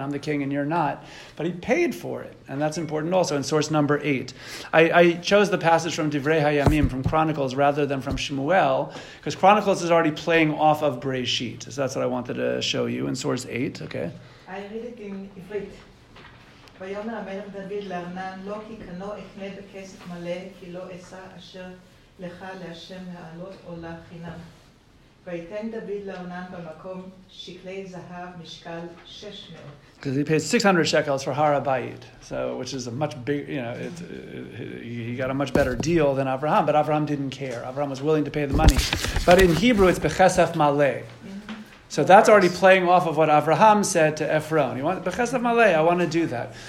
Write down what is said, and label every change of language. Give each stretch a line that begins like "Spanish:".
English: I'm the king and you're not. But he paid for it. And that's important also in source number 8. I chose the passage from Divrei HaYamim, from Chronicles, rather than from Shmuel, because Chronicles is already playing off of Bereishit. So that's what I wanted to show you in source 8. Okay. I read it in Ifrit.
Hebrew: ויאמר המלך דוד לארנן, לא כי קנו אקנה בכסף מלא, כי לא אשא אשר לך להשם העלות עולה חינם. ויתן דוד לארנן במקום שקלי זהב משקל 600.
English: Because he paid 600 shekels for Har HaBayit, so which is a much bigger, you know, he got a much better deal than Avraham, but Avraham didn't care. Avraham was willing to pay the money. But in Hebrew, it's Bechesef Male. So that's already playing off of what Avraham said to Ephron. He wants Bechesef Male, I want to do that.